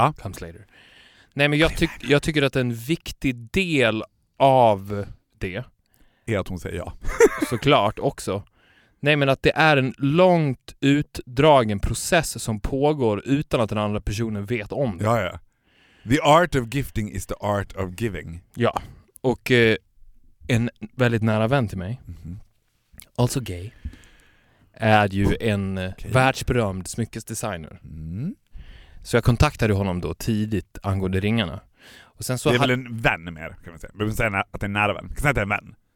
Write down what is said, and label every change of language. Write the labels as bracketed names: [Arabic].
[English] Comes later. [Swedish] Nej, men jag tycker att en viktig del av det är att hon säger ja. Såklart också. Nej, men att det är en långt utdragen process som pågår utan att den andra personen vet om det. Ja, ja. [English] The art of gifting is the art of giving. [Swedish] Ja. Och en väldigt nära vän till mig, also gay, är ju en världsberömd smyckesdesigner. Mm. Så jag kontaktade honom då tidigt angående ringarna. Och sen så det är väl en vän mer, kan man säga. Man kan säga att det är en nära vän. Kan säga att det är en vän.